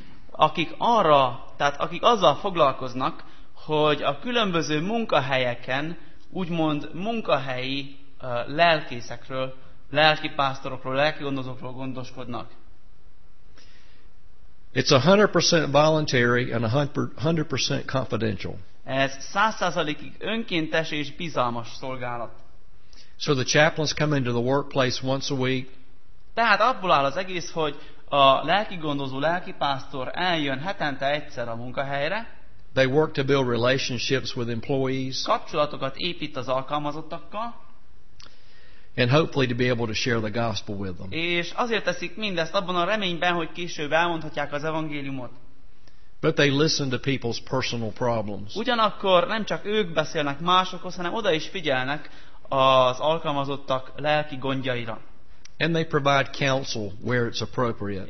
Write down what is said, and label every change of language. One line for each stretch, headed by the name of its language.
Hungarian: Akik azzal foglalkoznak, hogy a különböző munkahelyeken úgymond munkahelyi lelkészekről, lelkipásztorokról, lelkigondozókról gondoskodnak.
English: It's 100% voluntary and 100% confidential.
Hungarian: Ez 100%-ig önkéntes és bizalmas szolgálat.
English: So the chaplains come into the workplace once a week.
Hungarian: Tehát abból áll az egész, hogy a lelkigondozó lelkipásztor eljön hetente egyszer a munkahelyre.
English: They work to build relationships with employees.
Hungarian: Kapcsolatokat épít az alkalmazottakkal.
English: And hopefully to be able to share the gospel with them.
Hungarian: És azért teszik mindezt abban a reményben, hogy később elmondhatják az evangéliumot.
English: But they listen to people's personal problems.
Hungarian: Ugyanakkor nem csak ők beszélnek másokhoz, hanem oda is figyelnek az alkalmazottak lelki gondjaira.
English: And they provide counsel where it's appropriate.